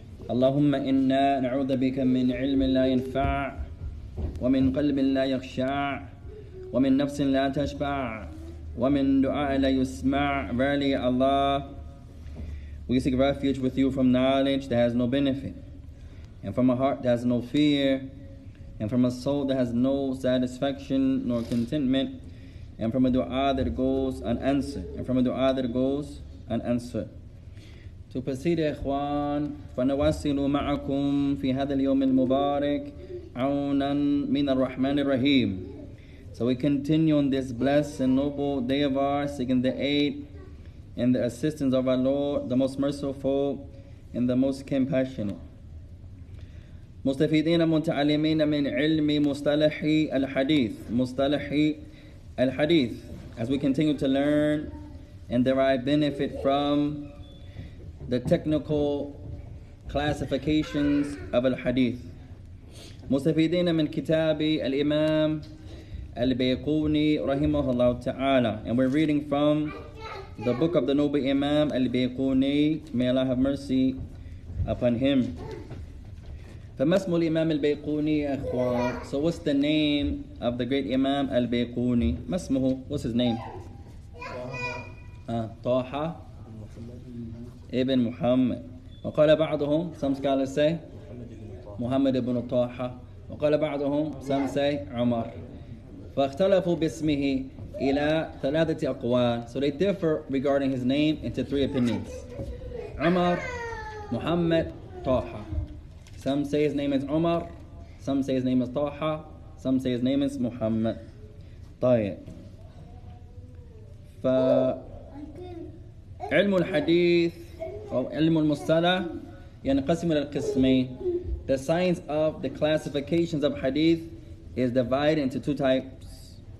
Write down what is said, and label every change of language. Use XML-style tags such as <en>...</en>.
<ar>اللهم إنا نعوذ بك من علم لا ينفع ومن قلب لا يخشع ومن نفس لا تشبع ومن دعاء لا يسمع.</ar> <en>Verily, Allah, we seek refuge with you from knowledge that has no benefit, and from a heart that has no fear, and from a soul that has no satisfaction nor contentment, and from a dua that goes unanswered, and from a dua that goes unanswered. To proceed,</en> <ar>إخوان, فنواصل معكم في هذا اليوم المبارك عونا من الرحمن الرحيم.</ar> <en>So we continue on this blessed and noble day of ours, seeking the aid and the assistance of our Lord, the most merciful and the most compassionate.</en> <ar>مستفيدين متعلمين من علم مصطلحي الحديث. مصطلحي الحديث.</ar> <en>As we continue to learn and derive benefit from the technical classifications of al-hadith.</en> <ar>مستفيدين من كتاب الإمام البيقوني رحمه الله تعالى.</ar> <en>And we're reading from the book of the noble Imam البيقوني. May Allah have mercy upon him.</en> <ar>فما اسم الإمام البيقوني يا أخوان?</ar> <en>So what's the name of the great Imam البيقوني?</en> <ar>ما اسمه?</ar> <en>What's his name?</en> <ar>طه. Ibn Muhammad. وقال بعضهم,</ar> <en>some scholars say Muhammad ibn Taha.</en> <ar>وقال بعضهم,</ar> <en>some say Umar.</en> <ar>فاختلفوا باسمه إلى ثلاثة أقوال.</ar> <en>So they differ regarding his name into three opinions. Umar, Muhammad, Taha. Some say his name is Umar, some say his name is Taha, some say his name is Muhammad. طيب.</en> <ar>فعلم الحديث علم المصطلح ينقسم إلى قسمين.</ar> <en>The science of the classifications of hadith is divided into two types.</en>